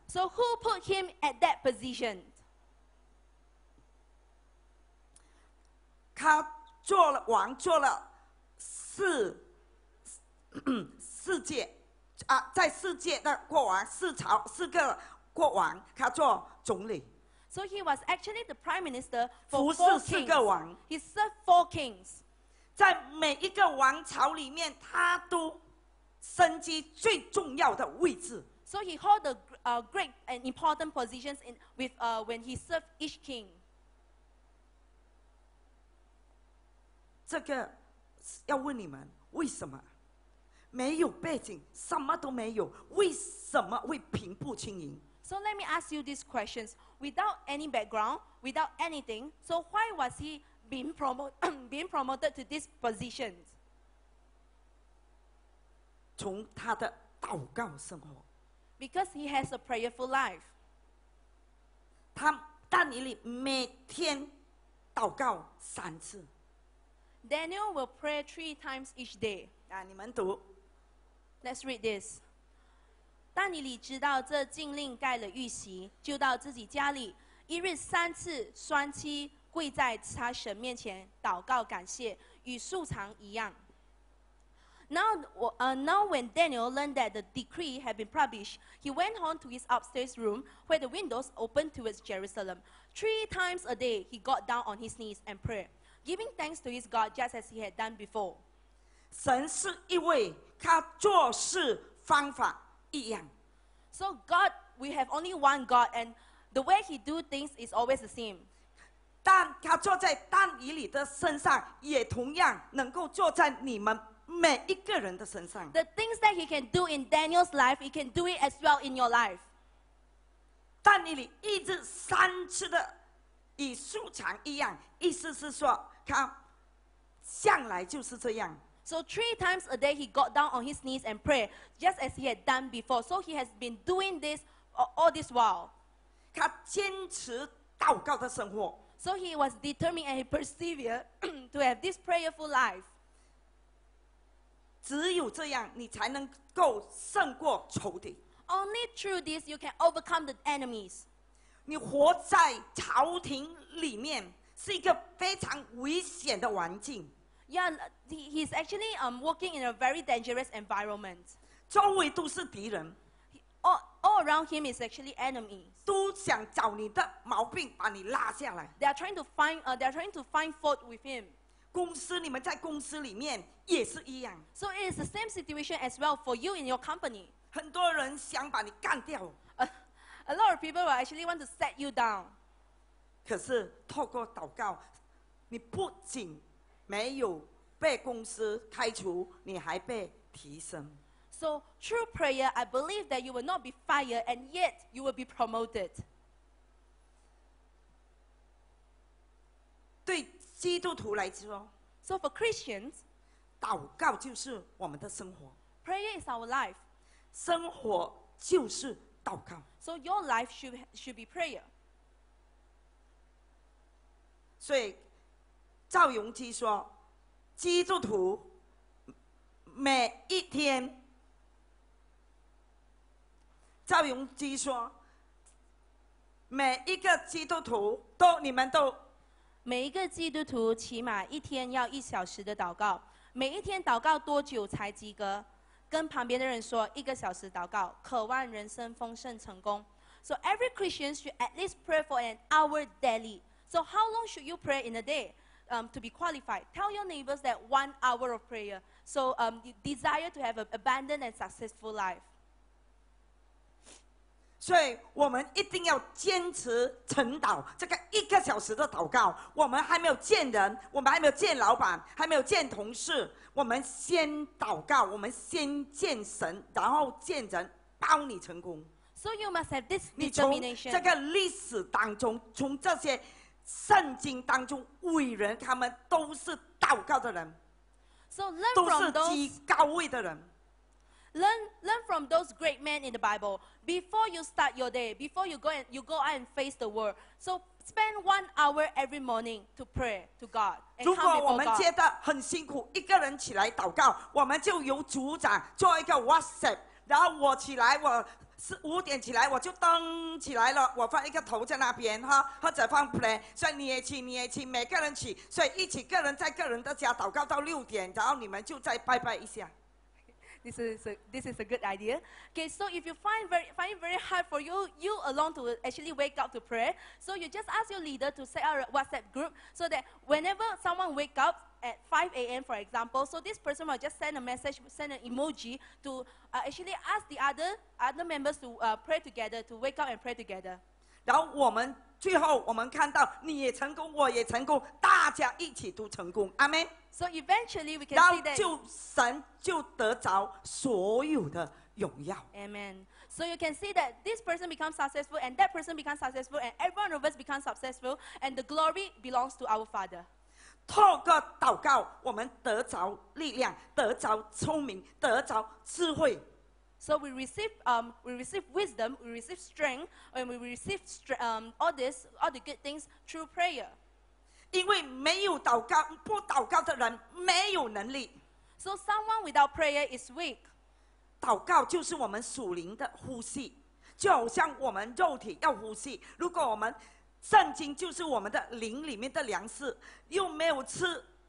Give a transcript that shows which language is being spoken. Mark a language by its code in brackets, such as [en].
[en] So who put him at that position? [zh] 他做了王做了四届啊，在四届的国王四朝四个国王，他做总理。 [en] So he was actually the prime minister for four kings. He served four kings. [zh] 在每一个王朝里面，他都身居最重要的位置。 [en] So he held the great and important positions in with when he served each king. [zh] 这个要问你们，为什么没有背景，什么都没有，为什么会平步青云 [en] ？So let me ask you these questions. Without any background, without anything, so why was he? Being promoted to this position. [zh] 从他的祷告生活。 [en] Because he has a prayerful life. [zh] 他但以理每天祷告三次。 [en] Daniel will pray three times each day. [zh] 啊，你们读。 [en] Let's read this. [zh] 但以理知道这禁令盖了玉玺，就到自己家里，一日三次双膝。跪在他神面前祷告感谢，与素常一样。 [en] Now when Daniel learned that the decree had been published, he went home to his upstairs room where the windows opened towards Jerusalem. Three times a day, he got down on his knees and prayed, giving thanks to his God just as he had done before. [zh] 神是一位，他做事方法一样。 [en] So God, we have only one God, and the way he do things is always the same. [zh] 但他坐在但以理的身上，也同样能够坐在你们每一个人的身上。 [en] The things that he can do in Daniel's life, he can do it as well in your life. [zh] 但以理一直三次的与素常一样，意思是说他向来就是这样。 [en] So three times a day he got down on his knees and prayed, just as he had done before. So he has been doing this all this while. [zh] 他坚持祷告的生活。 [en] So he was determined and he persevered to have this prayerful life. [zh] 只有这样你才能够胜过仇敌。 [en] Only through this you can overcome the enemies. [zh] 你活在朝廷里面是一个非常危险的环境。 [en] Yeah, he's actually working in a very dangerous environment. [zh] 周围都是敌人。 [en] All around him is actually enemies. [zh] 都想找你的毛病，把你拉下来。 [en] They are trying to find, fault with him. [zh] 公司，你们在公司里面也是一样。 [en] So it is the same situation as well for you in your company. [zh] 很多人想把你干掉。 [en] A lot of people will actually want to set you down. [zh] 可是透过祷告，你不仅没有被公司开除，你还被提升。 [en] So through prayer, I believe that you will not be fired, and yet you will be promoted. [zh] 对基督徒来说 [en] ，So for Christians, [zh] 祷告就是我们的生活。 [en] Prayer is our life. [zh] 生活就是祷告。 [en] So your life should be prayer. [zh] 所以。赵荣基说：“基督徒每一天，赵荣基说，每一个基督徒都，你们都，每一个基督徒起码一天要一小时的祷告。每一天祷告多久才及格？跟旁边的人说，一个小时祷告，渴望人生丰盛成功。 [en] So every Christian should at least pray for an hour daily. So how long should you pray in a day? To be qualified, tell your neighbors that 1 hour of prayer. So, you desire to have an abundant and successful life. [zh] 所以我们一定要坚持晨祷，这个一个小时的祷告。我们还没有见人，我们还没有见老板，还没有见同事，我们先祷告，我们先见神，然后见人，包你成功。 [en] So you must have this determination. [zh] 你从这个历史当中，从这些。圣经当中伟人，他们都是祷告的人， [en] so、learn from [zh] 都是极高位的人。 [en] Learn from those great men in the Bible. Before you start your day, before you go out and face the world, so spend 1 hour every morning to pray to God. [zh] 如果我们觉得很辛苦，一个人起来祷告，我们就由组长做一个 WhatsApp， 然后我起来我。 5点起来，我就登起来了。我放一个头在那边哈，或者放 play， 所以你也起，每个人起，所以一起个人在个人的家祷告到6点，然后你们就再拜拜一下。 [en] This is a good idea. Okay, so if you find it very hard for you alone to actually wake up to pray, so you just ask your leader to set up a WhatsApp group so that whenever someone wake up at 5 a.m. for example, so this person will just send an emoji to actually ask the other members to pray together, to wake up and pray together. [zh] 然后我们最后我们看到你也成功，我也成功，大家一起都成功，阿们。 [en] So eventually we can see that. [zh] 然后就神就得着所有的荣耀。 [en] Amen. So you can see that this person becomes successful and that person becomes successful and everyone of us becomes successful and the glory belongs to our Father. [zh] 透过祷告，我们得着力量，得着聪明，得着智慧。 [en] So we receive wisdom, we receive strength, and we receive all the good things through prayer. [zh] 因为没有祷告，不祷告的人没有能力。 [en] So someone without prayer is weak. [zh] 祷告就是我们属灵的呼吸，就好像我们肉体要呼吸。如果我们圣经就是我们的灵里面的粮食，又没有吃，